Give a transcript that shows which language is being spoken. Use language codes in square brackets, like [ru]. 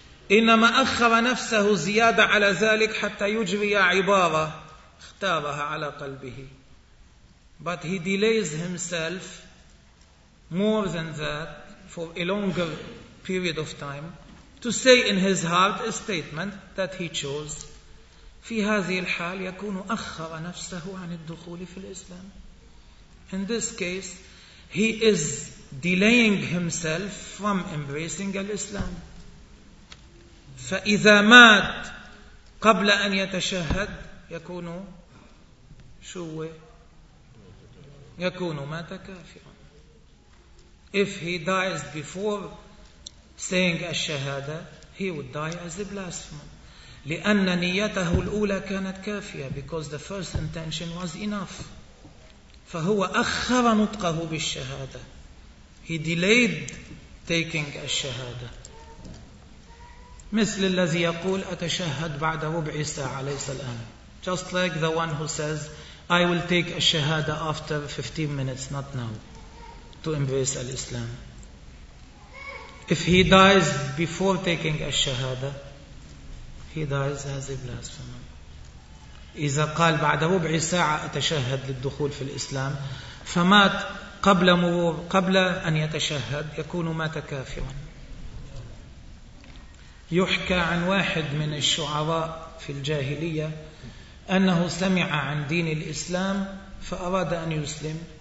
[ar] إِنَّمَا أَخَّرَ نَفْسَهُ زِيَادَ عَلَى ذَلِكَ حَتَّى يُجْرِيَ عِبَارَةَ اخْتَارَهَا عَلَى قَلْبِهِ. [en] But he delays himself more than that for a longer period of time to say in his heart a statement that he chose. [ar] في هذه الحال يكون أخر نفسه عن الدخول في الإسلام. [en] In this case, he is delaying himself from embracing Islam. [ar] فإذا مات قبل أن يتشهد يكون شو؟ يكون مات كافرا. [en] If he dies before saying الشهادة, he would die as a blasphemer. [ar] لأن نيته الأولى كانت كافية, [en] because the first intention was enough. [ar] فهو أخر نطقه بالشهادة. [en] He delayed taking الشهادة. [ar] مثل الذي يقول أتشهد بعد ربع ساعة, ليس الآن. [en] Just like the one who says, I will take الشهادة after 15 minutes, not now, to embrace Islam. If he dies before taking الشهادة, he dies as a blasphemer. [ar] إذا قال بعد ربع ساعة أتشهد للدخول في الإسلام, فمات قبل مرور قبل أن يتشهد يكون مات كافرا. يحكى عن واحد من الشعراء في الجاهلية أنه سمع عن دين الإسلام فأراد أن يسلم.